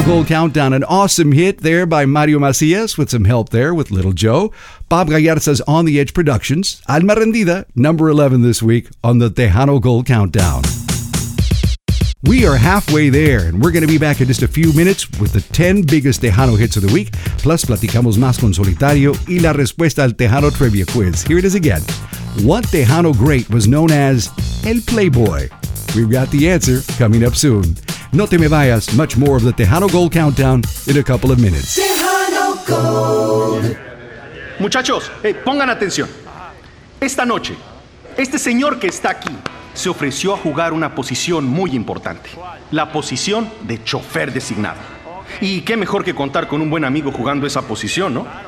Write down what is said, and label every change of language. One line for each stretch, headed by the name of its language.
English: Countdown, an awesome hit there by Mario Macias with some help there with Little Joe. Bob Gallarza's On the Edge Productions, Alma Rendida, number 11 this week on the Tejano Gold Countdown. We are halfway there, and we're going to be back in just a few minutes with the 10 biggest Tejano hits of the week.
Spanish: Plus, platicamos más con Solitario y la respuesta al Tejano trivia quiz.
English: Here it is again. What Tejano great was known as El Playboy? We've got the answer coming up soon.
Spanish: No te me vayas.
English: Much more of the Tejano Gold Countdown in a couple of minutes. Tejano Gold.
Spanish: Muchachos, hey, pongan atención. Esta noche, este señor que está aquí se ofreció a jugar una posición muy importante. La posición de chofer designado. Y qué mejor que contar con un buen amigo jugando esa posición, ¿no?